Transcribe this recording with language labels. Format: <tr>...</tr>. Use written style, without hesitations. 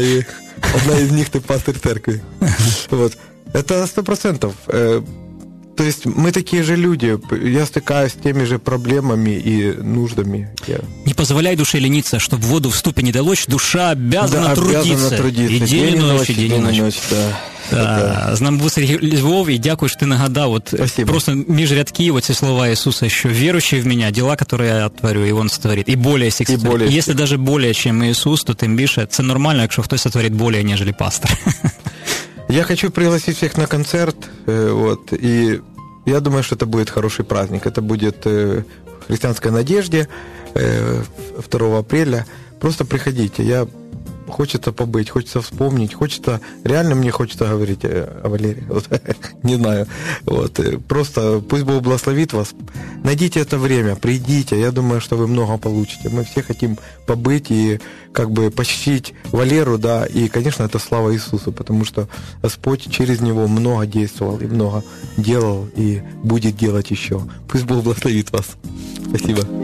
<ru>И одна из них, ты пастор церкви. Вот. Это 100%. То есть мы такие же люди. Я стыкаюсь с теми же проблемами и нуждами. Не позволяй душе лениться, чтобы воду в ступе не долочь. Душа обязана трудиться. И день, и ночь, день, и ночь. Да.</ru> <uk>З нами був Сергій Львов, і дякую, що ти нагадав, от просто між рядків оці слова Ісуса, що віруючи в мене, діла, які я творю, і Він створить, і більше, ніж Ісус. Якщо навіть більше, ніж Ісус, то тим більше, це нормально, якщо хтось творить більше, ніж пастор. Я хочу пригласити всіх на концерт, от, і я думаю, що це буде хороший праздник. Це буде в християнській надіжді 2 апреля. Просто приходіть, я...</uk> <ru>Хочется побыть, хочется вспомнить, хочется, реально мне хочется говорить о Валерии, вот, не знаю, вот, просто пусть Бог благословит вас, найдите это время, придите, я думаю, что вы много получите, мы все хотим побыть и как бы почтить Валеру, да, и, конечно, это слава Иисусу, потому что Господь через него много действовал и много делал и будет делать еще, пусть Бог благословит вас, спасибо.</ru>